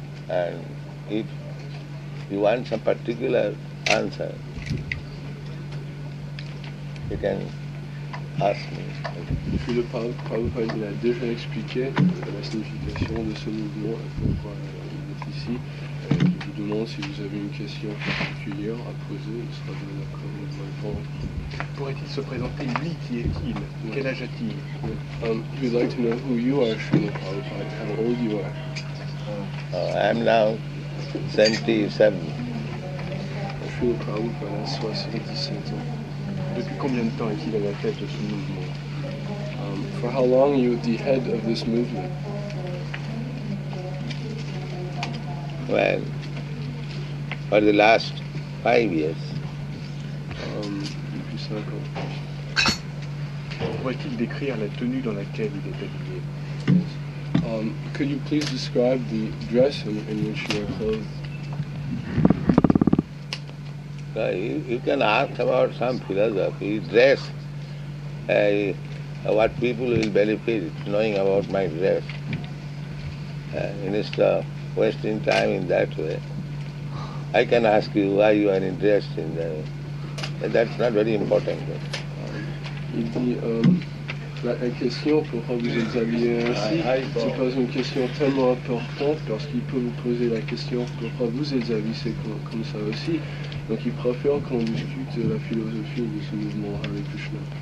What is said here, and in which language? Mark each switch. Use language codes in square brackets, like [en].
[en] And if you want some particular answer, you can ask me. Okay. [fr] Le Prabhupada a déjà expliqué la signification de ce mouvement, pourquoi il est ici. Je vous demande si vous avez une question particulière à poser, il sera bien d'accord de vous répondre. Pourrait-il se présenter, lui, qui est-il? Yeah. Quel âge a-t-il? [en] Yeah. You would like to know who you are, Srila Prabhupada, how old you are. I am now 77. [fr] Srila Prabhupada a 77 ans. Depuis combien de temps est-il à la tête de ce mouvement? [en] For how long are you the head of this movement? Well, for the last 5 years. [fr] Depuis 5 ans. Pourrait-il décrire la tenue dans laquelle il est habillé? [en] Could you please describe the dress in which you are clothed? You can ask about some philosophy. Dress, what people will benefit knowing about my dress. Instead of wasting time in that way. I can ask you why you are interested in that. That's not very important. But. [fr] Il dit, la question, pourquoi vous êtes habillé ainsi, se pose une question tellement importante parce qu'il peut vous poser la question pourquoi vous êtes habillé comme ça aussi. Donc il préfère qu'on discute la philosophie de ce mouvement Hare Krishna.